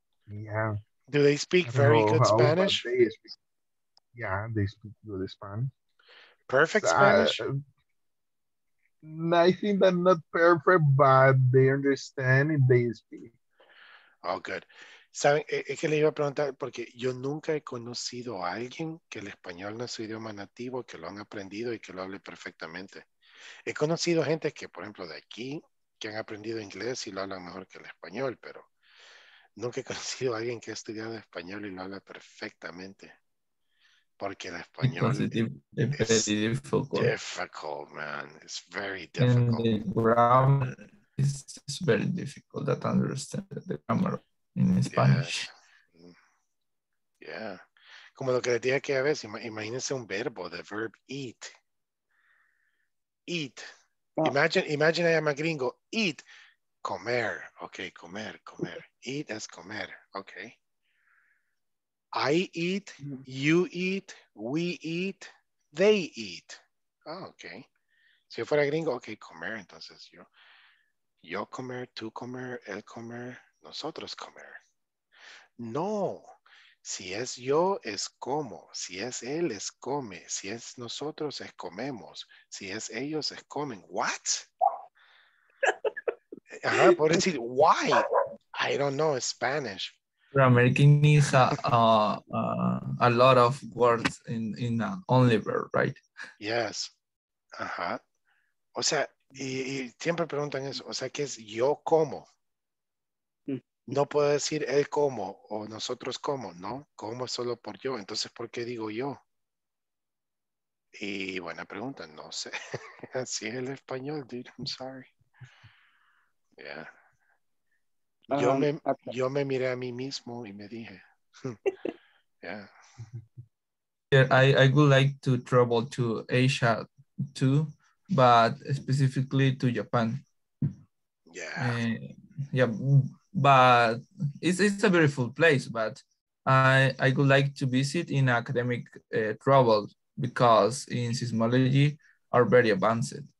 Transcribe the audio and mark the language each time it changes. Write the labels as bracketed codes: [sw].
[en] Yeah. Do they speak very good Spanish? They speak good Spanish. Perfect Spanish? I think that not perfect, but they understand and they speak. Oh, good. [es] ¿Saben? Es que le iba a preguntar porque yo nunca he conocido a alguien que el español no es su idioma nativo, que lo han aprendido y que lo hable perfectamente. He conocido gente que, por ejemplo, de aquí, que han aprendido inglés y lo hablan mejor que el español, pero nunca he conocido a alguien que ha estudiado español y lo habla perfectamente. Porque el español [en] is difficult, man. It's very difficult. And the grammar is very difficult to understand the grammar in Spanish. [es] Yeah. Como lo que le dije aquella vez, imagínense un verbo, [en] the verb eat. Eat. Imagine I am a gringo. Eat. Comer. Okay, comer. Eat as comer. Okay. I eat, you eat, we eat, they eat. Oh, okay. [es] Si yo fuera gringo, okay, comer, entonces yo comer, tú comer, él comer, nosotros comer. No, si es yo, es como. Si es él, es come. Si es nosotros, es comemos. Si es ellos, es comen. What? Ajá, por decir, [en] why? I don't know Spanish. American needs a lot of words in only verb, right? Yes. [es] Ajá. O sea, y siempre preguntan eso. O sea, ¿qué es yo como? No puedo decir él como o nosotros como, ¿no? Como solo por yo. Entonces, ¿por qué digo yo? Y buena pregunta. No sé. Así es el español, dude. [en] I'm sorry. Yeah. [es] Yo me miré a mí mismo y me dije. [en] Yeah. Yeah, I would like to travel to Asia too, but specifically to Japan. Yeah. Yeah, but it's a beautiful place, but I would like to visit in academic travel because in seismology are very advanced.